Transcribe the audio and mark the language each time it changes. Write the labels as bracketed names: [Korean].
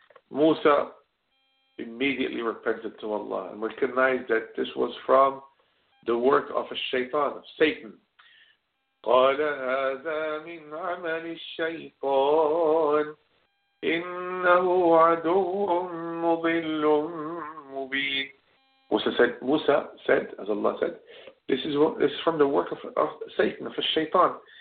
[English] Musa immediately repented to Allah and recognized that this was from the work of a shaitan, of Satan. [Arabic] قال هذا من عمل الشيطان إنه عدو مضل مبين. [English] Musa said, as Allah said, This is from the work of Satan, of a shaitan.